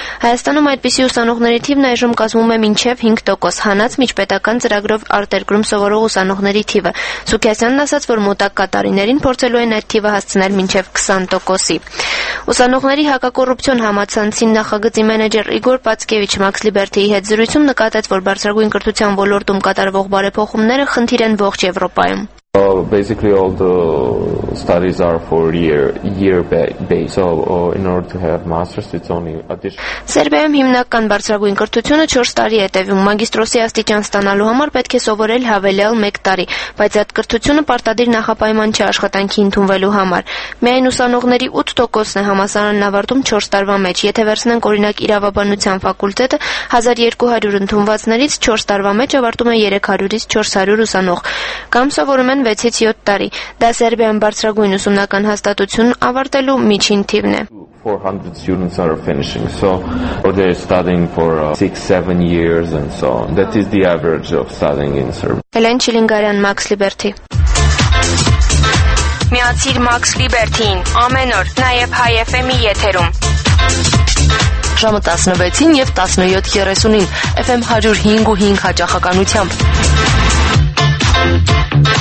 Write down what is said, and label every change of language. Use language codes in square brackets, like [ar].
[hy] Հայաստանում այդպիսի ուսանողների թիվն այժմ կազմում է մինչև 5%, հանած միջպետական ծրագրով արտերկրում սովորող ուսանողների թիվը։ Սուկյասյանն ասաց, որ մոտակա տարիներին փորձելու են այդ թիվը հասցնել մինչև 20%-ի։ Ուսանողների հակակոռուպցիոն համացանցին նախագծի մենեջեր Իգոր Պացկևիչ Մաքս Լիբերթիի հետ զրույցում նկատեց, որ բարձրագույն կրթության ոլորտում կատարվող բարեփոխումները խնդիր են ողջ Եվրոպայում։ [en] Basically all the studies are for year based. So in order to have master's it's only additional. [hy] Սերբիայում հիմնական բարձրագույն կրթությունը 4 տարի է տևում։ Մագիստրոսի աստիճան ստանալու համար պետք է սովորել հավելյալ 1 տարի, բայց այդ կրթությունը պարտադիր նախապայման չի աշխատանքի ընդունվելու համար։ Միայն ուսանողների 8%-ն է համասարանն ավարտում 4 տարվա մեջ, եթե վերցնենք օրինակ իրավաբանության ֆակուլտետը, 1200 ընդունվածներից 4 տարվա մեջ ավարտում են 300-ից 400 ուսանող։ Կամ սովորում 6-7 տարի։ Դա Սերբիայում բարձրագույն ուսումնական հաստատություն ավարտելու միջին թիվն է։ [en] 400 students are finishing, so they're studying for 6-7 years and so on. That is the average of studying in Serbia. [hy] Ելեն Չիլինգարյան, Մաքս Լիբերթի։ Միացիր Մաքս Լիբերթին ամեն օր նաև Հայ FM-ի եթերում։ Ժամը 16-ին եւ 17:30-ին FM 105.5 հաճախականությամբ։